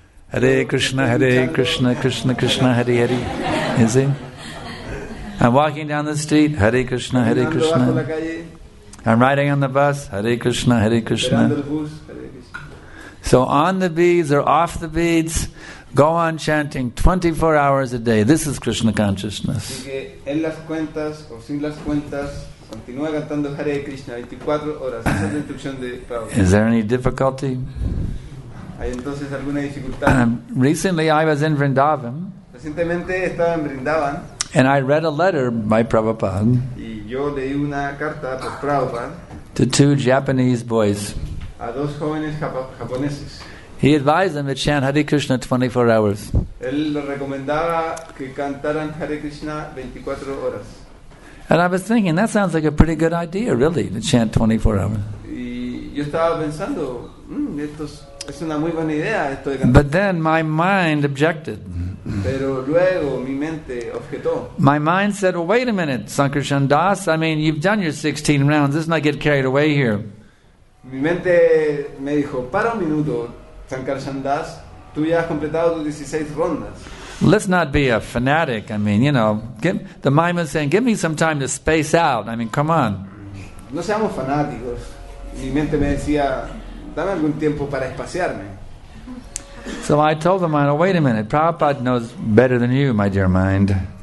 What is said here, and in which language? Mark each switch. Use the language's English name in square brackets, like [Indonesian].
[English] Hare Krishna, Krishna Krishna, Hare Hare. You see? I'm walking down the street. Hare Krishna, Krishna. I'm riding on the bus. Hare Krishna. So on the beads or off the beads, go on chanting 24 hours a day. This is Krishna consciousness. [Spanish] Así que en las cuentas o sin las cuentas, continúa cantando Hare Krishna 24 horas. Esa es la instrucción de Prabhupada. [English] Is there any difficulty? [Spanish] ¿Hay entonces alguna dificultad? [English] Recently I was in Vrindavan. [Spanish] Recientemente estaba en Vrindavan. [English] And I read a letter by Prabhupada. [Spanish] Y yo leí una carta por Prabhupada. [English] To two Japanese boys. [Spanish] A dos jóvenes japoneses. [English] He advised them to chant Hare Krishna 24 hours. [Spanish] Él lo recomendaba que cantaran Hare Krishna 24 horas. [English] And I was thinking, that sounds like a pretty good idea, really, to chant 24 hours. [Spanish] Y yo estaba pensando, es una muy buena idea esto de cantar. [English] But then my mind objected. [Spanish] Pero luego mi mente objetó. [English] My mind said, well, wait a minute, Sankarshan Das, I mean, you've done your 16 rounds, let's not get carried away here. [Spanish] Mi mente me dijo, para un minuto, Sankarshan Das, tú ya has completado tus 16 rondas. [English] Let's not be a fanatic. I mean, you know, the mind was saying, give me some time to space out. I mean, come on. [Spanish] No seamos fanáticos. Mi mente me decía, dame algún tiempo para espaciarme. [English] So I told the mind, oh, wait a minute, Prabhupada knows better than you, my dear mind.